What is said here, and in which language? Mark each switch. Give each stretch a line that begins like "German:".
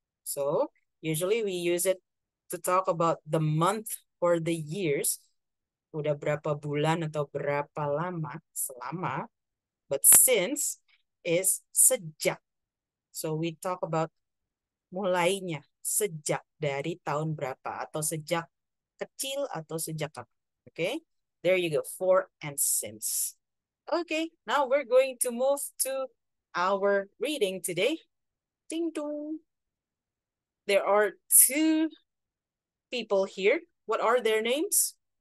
English: So, usually we use it to talk about the month or the years.
Indonesian: Udah berapa bulan atau berapa lama, selama.
English: But since is
Indonesian: sejak.
English: So, we talk about
Indonesian: mulainya, sejak dari tahun berapa, atau sejak kecil, atau sejak apa.
English: Okay, there you go, for and since. Okay, now we're going to move to our reading today. Ding dong. There are two people here. What are their names?